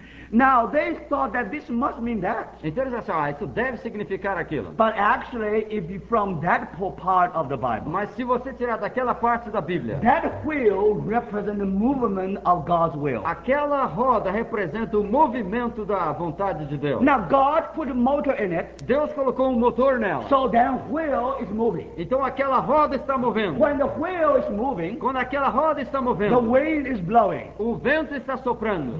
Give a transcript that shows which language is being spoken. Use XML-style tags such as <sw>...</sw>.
<en>Now they thought that this must mean that.</en> <pt>Então eles acham, isso deve significar aquilo.</pt> <en>But actually, if you from that part of the Bible.</en> <pt>Mas se você tirar daquela parte da Bíblia.</pt> <en>That wheel represents the movement of God's will.</en> <pt>Aquela roda representa o movimento da vontade de Deus.</pt> <en>Now God put a motor in it.</en> <pt>Deus colocou motor nela.</pt> <en>So that wheel is moving.</en> <pt>Então aquela roda está movendo.</pt> <en>When the wheel is moving.</en> <pt>Quando aquela roda está movendo.</pt> <en>The wind is blowing.</en> <pt>O vento está soprando.</pt>